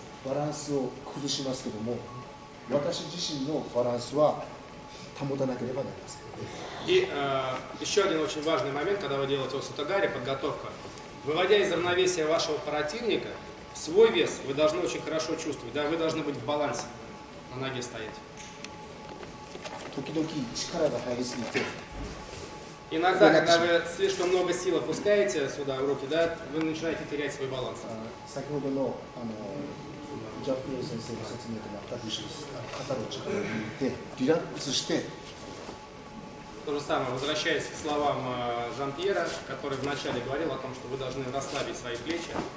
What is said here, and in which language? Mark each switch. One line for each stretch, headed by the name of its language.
Japanese: Балансを崩しますけども、私自身のバランスは保たなければなりません。
Russian: И еще один очень важный момент, когда вы делаете осутагари, подготовка. Выводя из равновесия вашего противника, свой вес вы должны очень хорошо чувствовать. Да, вы должны быть в балансе, на ноге стоять.
Japanese: 時々力が入りすぎて。
Russian: Иногда, когда вы слишком много сил опускаете сюда в руки, да, вы начинаете терять свой баланс.
Japanese: 先ほどの、あの、ジャプロ先生が説明でもあったでしょう。肩の力を抜いてリラックスして。
Russian: То же самое, возвращаясь к словам Жан-Пьера, который вначале говорил о том, что вы должны расслабить свои плечи.